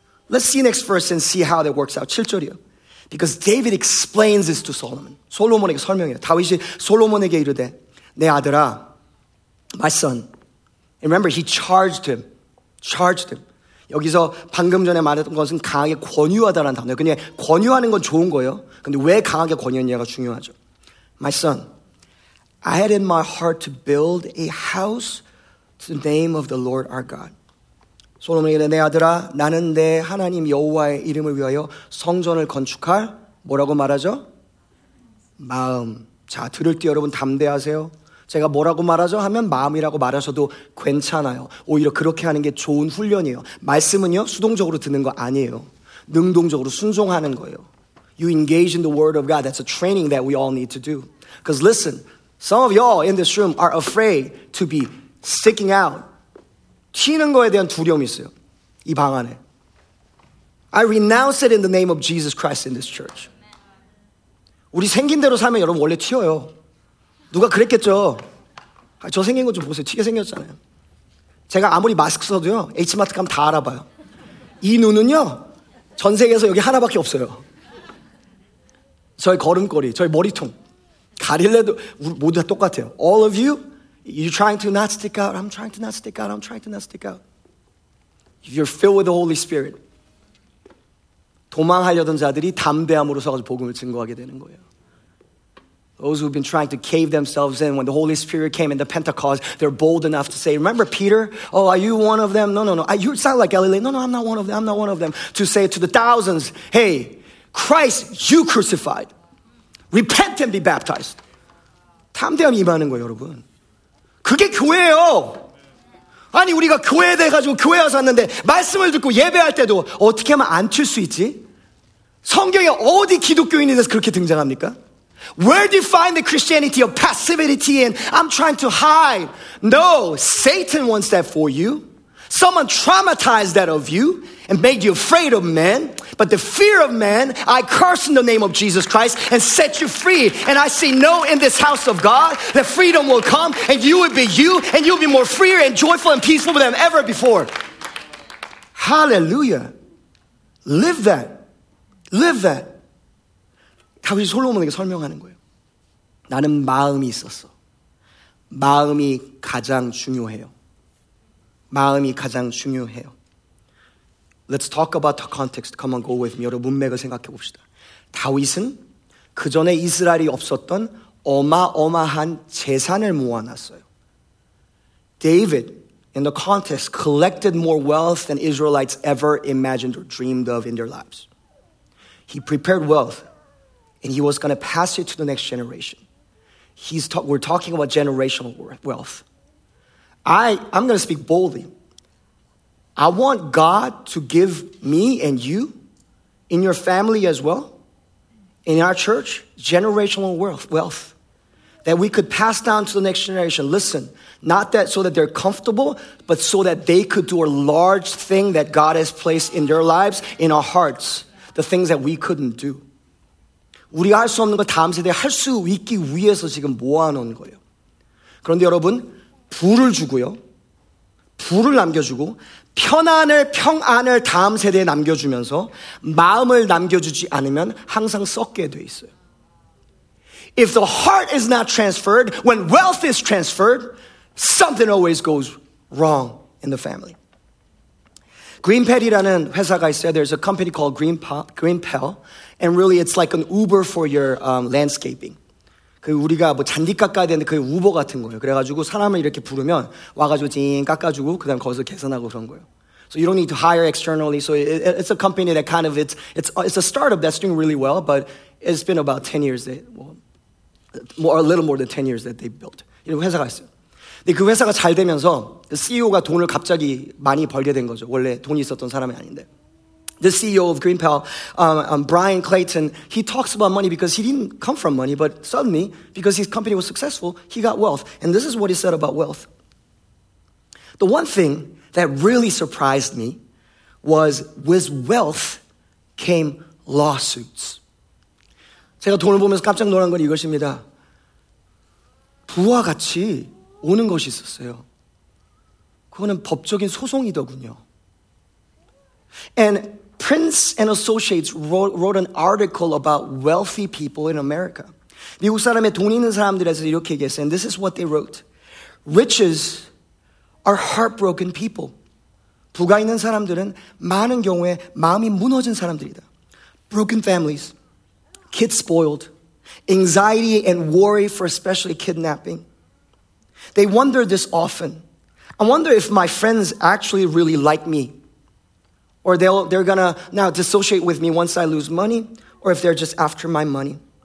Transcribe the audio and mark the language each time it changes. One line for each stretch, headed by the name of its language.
English: Let's see next verse and see how that works out.
Korean: 7절이요.
English: Because David explains this to Solomon.
Korean: 솔로몬에게 설명해요. 다윗이 솔로몬에게 이르되, 내 아들아,
English: my son. And remember, he charged him. Charged him.
Korean: 여기서 방금 전에 말했던 것은 강하게 권유하다라는 단어예요. 그냥 권유하는 건 좋은 거예요. 근데 왜 강하게 권유했냐가 중요하죠.
English: My son, I had in my heart to build a house to the name of the Lord our God.
Korean: 솔로몬에게 내 아들아 나는 내 하나님 여호와의 이름을 위하여 성전을 건축할 뭐라고 말하죠? 마음. 자 들을 때 여러분 담대하세요. 제가 뭐라고 말하죠? 하면 마음이라고 말하셔도 괜찮아요. 오히려 그렇게 하는 게 좋은 훈련이에요. 말씀은요 수동적으로 듣는 거 아니에요. 능동적으로 순종하는 거예요.
English: You engage in the word of God. That's a training that we all need to do. Because listen, some of y'all in this room are afraid to be sticking out.
Korean: 튀는 거에 대한 두려움이 있어요. 이 방 안에.
English: I renounce it in the name of Jesus Christ in this church.
Korean: 우리 생긴 대로 살면 여러분 원래 튀어요. 누가 그랬겠죠. 아, 저 생긴 거 좀 보세요. 튀게 생겼잖아요. 제가 아무리 마스크 써도요. H마트 가면 다 알아봐요. 이 눈은요. 전 세계에서 여기 하나밖에 없어요. 저희 걸음걸이, 저희 머리통. 가릴래도 모두 다 똑같아요.
English: All of you? You're trying to not stick out. I'm trying to not stick out. I'm trying to not stick out. You're filled with the Holy Spirit.
Korean: 도망하려던 자들이 담대함으로 서서 복음을 증거하게 되는 거예요.
English: Those who've been trying to cave themselves in when the Holy Spirit came in the Pentecost, they're bold enough to say, remember Peter? Oh, are you one of them? No. You sound like Galilee. No, I'm not one of them. I'm not one of them. To say to the thousands, hey, Christ, you crucified. Repent and be baptized.
Korean: 담대함이 임하는 거예요, 여러분. 그게 교회예요. 아니 우리가 교회에 대해서 교회 와서 왔는데 말씀을 듣고 예배할 때도 어떻게 하면 안 튈 수 있지? 성경에 어디 기독교인에서 그렇게 등장합니까?
English: Where do you find the Christianity of passivity and I'm trying to hide? No, Satan wants that for you. Someone traumatized that of you and made you afraid of men. But the fear of men, I curse in the name of Jesus Christ and set you free. And I say no in this house of God, that freedom will come and you will be you and you will be more free and joyful and peaceful than ever before. Hallelujah. Live that. Live that.
Korean: 다윗이 솔로몬에게 설명하는 거예요. 나는 마음이 있었어. 마음이 가장 중요해요. 마음이 가장 중요해요.
English: Let's talk about the context. Come on, go with me.
Korean: 여러분 문맥을 생각해 봅시다. 다윗은 그 전에 이스라엘이 없었던 어마어마한 재산을 모아놨어요.
English: David, in the contest, collected more wealth than Israelites ever imagined or dreamed of in their lives. He prepared wealth, and he was going to pass it to the next generation. We're talking about generational wealth. I'm going to speak boldly. I want God to give me and you, in your family as well, in our church, generational wealth that we could pass down to the next generation. Listen, not that so that they're comfortable, but so that they could do a large thing that God has placed in their lives, in our hearts, the things that we couldn't do.
Korean: 우리가 할 수 없는 걸 다음 세대에 할 수 있기 위해서 지금 모아놓은 거예요. 그런데 여러분, 부를 주고요. 부를 남겨주고 편안을, 평안을 다음 세대에 남겨주면서 마음을 남겨주지 않으면 항상 썩게 돼 있어요.
English: If the heart is not transferred, when wealth is transferred, something always goes wrong in the family.
Korean: GreenPel이라는 회사가 있어요.
English: There's a company called GreenPel. And really, it's like an Uber for your landscaping.
Korean: 그 우리가 뭐 잔디 깎아야 되는데 그게 우버 같은 거예요. 그래가지고 사람을 이렇게 부르면 와가지고 징 깎아주고 그다음 거기서 계산하고 그런 거예요.
English: So you don't need to hire externally. So it's a company that kind of, it's a startup that's doing really well, but it's been about 10 years, a little more than 10 years that they built.
Korean: 이런 회사가 있어요. 근데 그 회사가 잘 되면서 CEO가 돈을 갑자기 많이 벌게 된 거죠. 원래 돈이 있었던 사람이 아닌데.
English: The CEO of GreenPel, Brian Clayton, he talks about money because he didn't come from money, but suddenly, because his company was successful, he got wealth. And this is what he said about wealth. The one thing that really surprised me was with wealth came lawsuits.
Korean: 제가 돈을 보면서 깜짝 놀란 건 이것입니다. 부와 같이 오는 것이 있었어요. 그거는 법적인 소송이더군요.
English: And Prince and Associates wrote an article about wealthy people in America.
Korean: 미국 사람의 돈 있는 사람들에서 이렇게 얘기했어요.
English: And this is what they wrote. Riches are heartbroken people.
Korean: 부가 있는 사람들은 많은 경우에 마음이 무너진 사람들이다.
English: Broken families, kids spoiled, anxiety and worry for especially kidnapping. They wonder this often. I wonder if my friends actually really like me. Or they're gonna now dissociate with me once I lose money, or if they're just after my money.